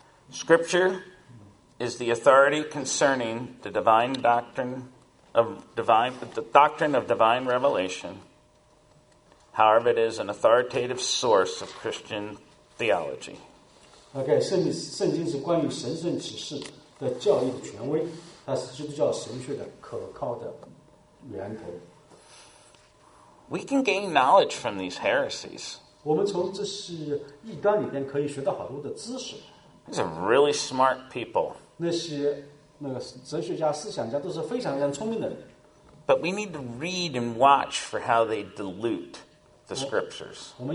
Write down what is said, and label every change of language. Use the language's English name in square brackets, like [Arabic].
[English] Scripture is the authority concerning the divine doctrine of divine revelation. However, it is an authoritative source of Christian theology. [Chinese] Okay, 圣经是关于神圣启示的教义的权威，它是基督教神学的可靠的源头。 [English] We can gain knowledge from these heresies. [Chinese] 我们从这些异端里边可以学到好多的知识。 [English] These are really smart people. [Chinese] 那些哲学家、思想家都是非常非常聪明的人。 [English] But we need to read and watch for how they dilute the scriptures.